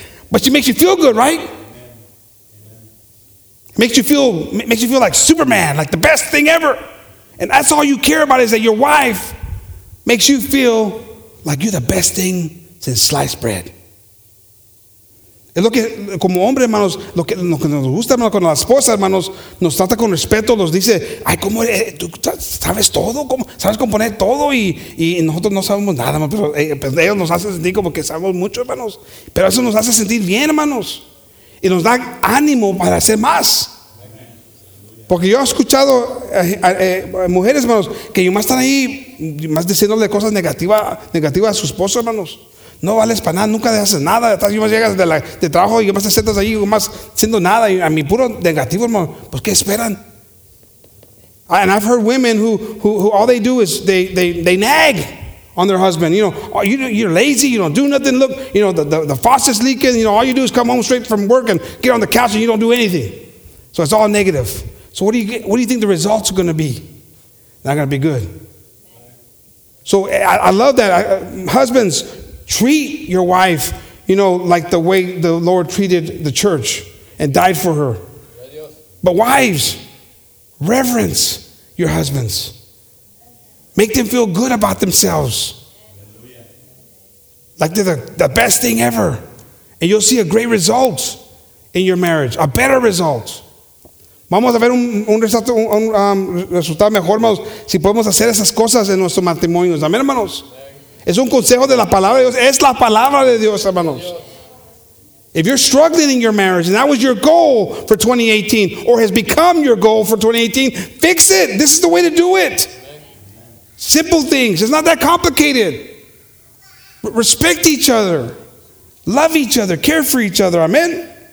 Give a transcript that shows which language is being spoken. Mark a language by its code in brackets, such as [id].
[en] But she makes you feel good, right? Makes you feel like Superman, like the best thing ever. And that's all you care about is that your wife makes you feel like you're the best thing than sliced bread. [es] Es lo que, como hombre, hermanos, lo que nos gusta, hermanos, con la esposa, hermanos, nos trata con respeto, nos dice, ay, ¿cómo eres? ¿Tú sabes todo? ¿Cómo sabes componer todo? Y nosotros no sabemos nada, pero ellos nos hacen sentir como que sabemos mucho, hermanos. Pero eso nos hace sentir bien, hermanos. Y nos da ánimo para hacer más. Porque yo he escuchado a mujeres, hermanos, que más están ahí, más diciéndole cosas negativas a su esposo, hermanos. No vales para nada, nunca haces nada. Estás, yo más llegas de trabajo y yo más te sentas ahí, yo más haciendo nada. Y a mí puro negativo, hermano. Pues, ¿qué esperan? [en] And I've heard women who all they do is they nag on their husband. You know, you're lazy, you don't do nothing. Look, you know, the faucet's leaking. You know, all you do is come home straight from work and get on the couch and you don't do anything. So it's all negative. So what do you think the results are going to be? Not going to be good. So I love that. Husbands, treat your wife, you know, like the way the Lord treated the church and died for her. But wives, reverence your husbands. Make them feel good about themselves. Like they're the best thing ever. And you'll see a great result in your marriage, a better result. [es] Vamos a ver un resultado mejor, hermanos, si podemos hacer esas cosas en nuestros matrimonios. Amén, hermanos. Es un consejo de la palabra de Dios. Es la palabra de Dios, hermanos. [en] If you're struggling in your marriage and that was your goal for 2018 or has become your goal for 2018, fix it. This is the way to do it. Simple things. It's not that complicated. Respect each other. Love each other. Care for each other. Amen.